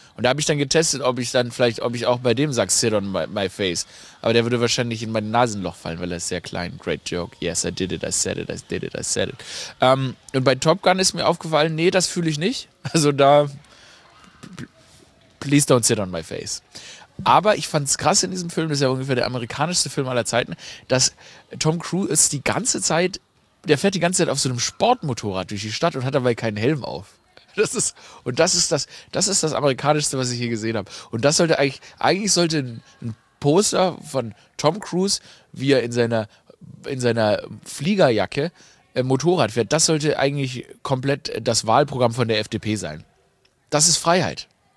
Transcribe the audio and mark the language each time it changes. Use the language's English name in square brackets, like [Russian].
[German] Und da habe ich dann getestet, ob ich auch bei dem sage, [English] sit on my face. [German] Aber der würde wahrscheinlich in mein Nasenloch fallen, weil er ist sehr klein. [English] Great joke. Yes, I did it, I said it, I did it, I said it. [German] Und bei Top Gun ist mir aufgefallen, nee, das fühle ich nicht. Also da, [English] please don't sit on my face. [German] Aber ich fand es krass in diesem Film, das ist ja ungefähr der amerikanischste Film aller Zeiten, dass Tom Cruise ist die ganze Zeit, der fährt die ganze Zeit auf so einem Sportmotorrad durch die Stadt und hat dabei keinen Helm auf. Das ist das Amerikanischste, was ich hier gesehen habe. Und das sollte eigentlich sollte ein Poster von Tom Cruise, wie er in seiner Fliegerjacke Motorrad fährt, das sollte eigentlich komplett das Wahlprogramm von der FDP sein. Das ist Freiheit.